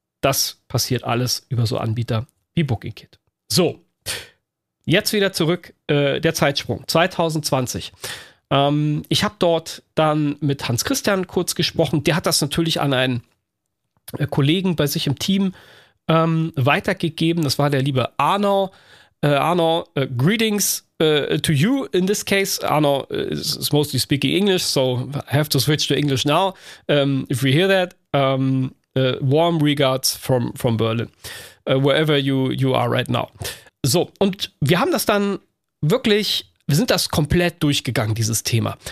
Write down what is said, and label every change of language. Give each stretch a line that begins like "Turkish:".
German: Das passiert alles über so Anbieter wie BookingKit. So, jetzt wieder zurück, der Zeitsprung, 2020. Ich habe dort dann mit Hans Christian kurz gesprochen. Der hat das natürlich an einen Kollegen bei sich im Team weitergegeben. Das war der liebe Arno.
English: Arno, greetings to you in this case. Arno is mostly speaking English, so I have to switch to English now. If we hear that, warm regards from Berlin, wherever you are right now.
German: So, und wir haben das dann wirklich, wir sind das komplett durchgegangen, dieses Thema.